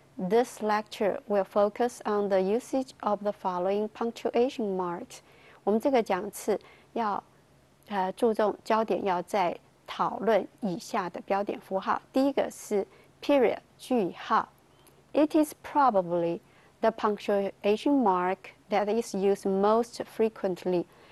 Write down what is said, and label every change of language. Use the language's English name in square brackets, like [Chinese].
[English] This lecture will focus on the usage of the following punctuation marks. [Chinese] 我们这个讲次要注重焦点要在讨论以下的标点符号。第一个是 period 句号。 [English] It is probably the punctuation mark that is used most frequently.